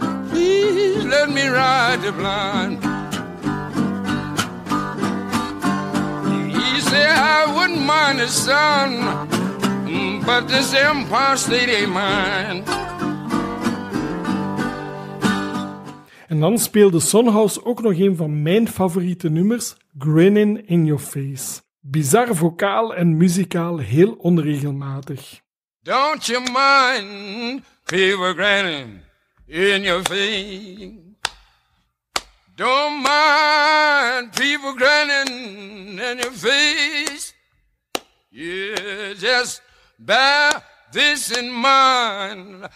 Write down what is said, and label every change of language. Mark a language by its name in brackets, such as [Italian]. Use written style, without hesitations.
[English] Please let me ride the blind. He said I wouldn't mind his son, but this Empire State ain't mine. [Dutch] En dan speelde Sonhouse ook nog een van mijn favoriete nummers, Grinning in Your Face. Bizar vocaal en muzikaal heel onregelmatig. [English] Don't you mind people grinning in your face. Don't mind people grinning in your face. Yeah, just bear this in mind.